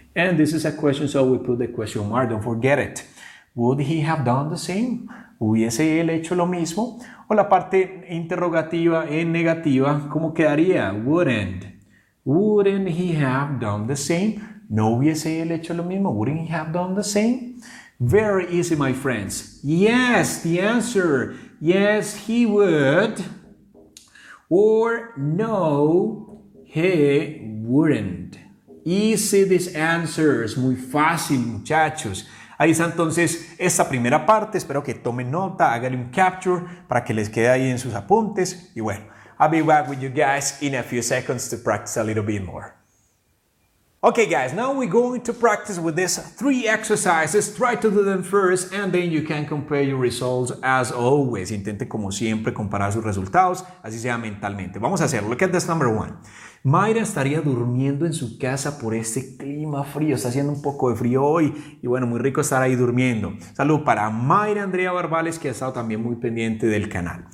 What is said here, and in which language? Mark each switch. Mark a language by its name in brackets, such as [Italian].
[English] And this is a question, so we put the question mark, don't forget it. Would he have done the same? [Spanish] ¿Hubiese él hecho lo mismo? O la parte interrogativa en negativa, ¿cómo quedaría? [English] Wouldn't. Wouldn't he have done the same? [Spanish] ¿No hubiese él hecho lo mismo? [English] Wouldn't he have done the same? Very easy, my friends. Yes, the answer. Yes, he would. Or no, he wouldn't. Easy, this answer. [Spanish] Es muy fácil, muchachos. Ahí está entonces esta primera parte. Espero que tomen nota, hagan un capture para que les quede ahí en sus apuntes. Y bueno, [English] I'll be back with you guys in a few seconds to practice a little bit more. Okay, guys, now we're going to practice with these three exercises. Try to do them first and then you can compare your results as always. [Spanish] Intente como siempre comparar sus resultados, así sea mentalmente. Vamos a hacerlo. [English] Look at this number one. [Spanish] Mayra estaría durmiendo en su casa por este clima frío. Está haciendo un poco de frío hoy y bueno, muy rico estar ahí durmiendo. Salud para Mayra Andrea Barbales, que ha estado también muy pendiente del canal.